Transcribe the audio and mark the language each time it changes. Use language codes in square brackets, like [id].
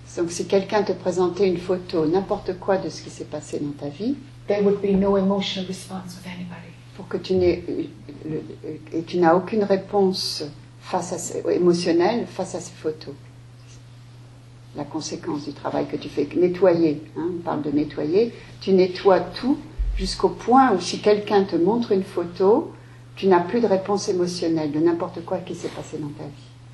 [fr] Donc si quelqu'un te présentait une photo, n'importe quoi de ce qui s'est passé dans ta vie, [en] there would be no emotional response with anybody. [fr] Pour que tu n'as aucune réponse émotionnelle face à ces photos. La conséquence du travail que tu fais, nettoyer, hein, on parle de nettoyer, tu nettoies tout. Jusqu'au point où si quelqu'un te montre une photo, tu n'as plus de réponse émotionnelle de n'importe quoi qui s'est passé dans ta vie.